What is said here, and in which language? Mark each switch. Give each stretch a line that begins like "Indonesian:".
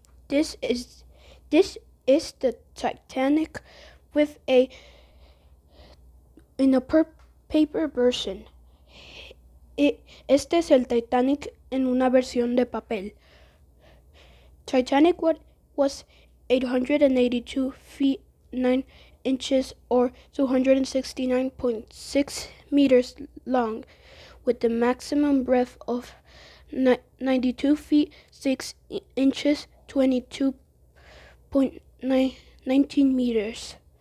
English: This is the Titanic with a in a paper version.
Spanish: Este es el Titanic en una versión de papel.
English: Titanic was 882 feet 9 inches or 269.6 meters long, with the maximum breadth of 92 feet 6 inches 22.19 meters.